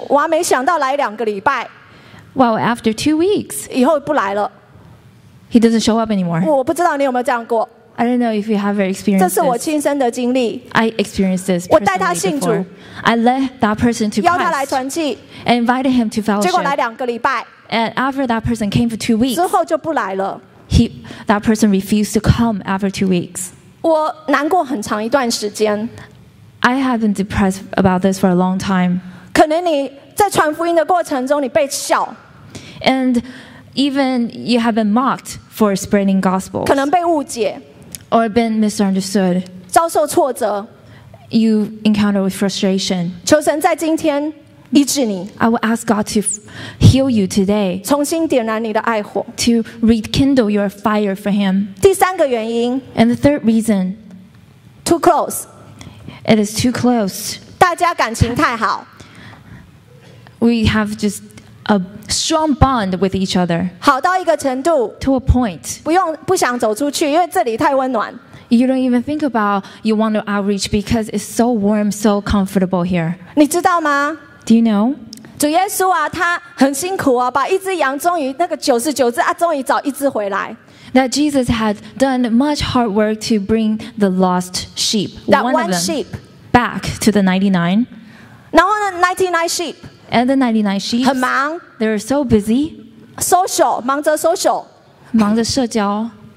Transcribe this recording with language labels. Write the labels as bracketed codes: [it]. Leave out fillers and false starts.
[zh] 我还没想到来两个礼拜。 [en] Well, after 2 weeks. [zh] 以后不来了。 [en] He doesn't show up anymore. [zh] 我不知道你有没有这样过。 [en] I don't know if you have experienced this. [zh] 这是我亲身的经历。 [en] I experienced this personally. [zh] 我带他信主。 [en] I led that person to Christ. [zh] 邀他来团契。 [en] And invited him to fellowship. [zh] 结果来两个礼拜。 [en] And after that person came for 2 weeks. [zh] 之后就不来了。 [en] That person refused to come after 2 weeks. [zh] 我难过很长一段时间。 [en] I have been depressed about this for a long time. [zh] 可能你在传福音的过程中你被笑。 [en] And even you have been mocked for spreading gospel. [zh] 可能被误解。 [en] Or been misunderstood. [zh] 遭受挫折。 [en] You encounter with frustration. [zh] 求神在今天医治你。 [en] I will ask God to heal you today. [zh] 重新点燃你的爱火。 [en] To rekindle your fire for him. [zh] 第三个原因。 [en] And the third reason. Too close. It is too close. [zh] 大家感情太好。 [en] We have just a strong bond with each other. [zh] 好到一个程度。 [en] To a point. [zh] 不想走出去，因为这里太温暖。 [en] You don't even think about you want to outreach because it's so warm, so comfortable here. [zh] 你知道吗？ [en] Do you know? [zh] 主耶稣啊，他很辛苦啊，把一只羊终于那个九十九只啊，终于找一只回来。 [en] That Jesus had done much hard work to bring the lost sheep, one sheep, back to the 99. [zh] 然后呢 ， [en] 99 sheep. And the 99 sheep. [zh] 很忙。 [en] They were so busy. Social, [zh] 忙着 [en] social. [zh] 忙着社交。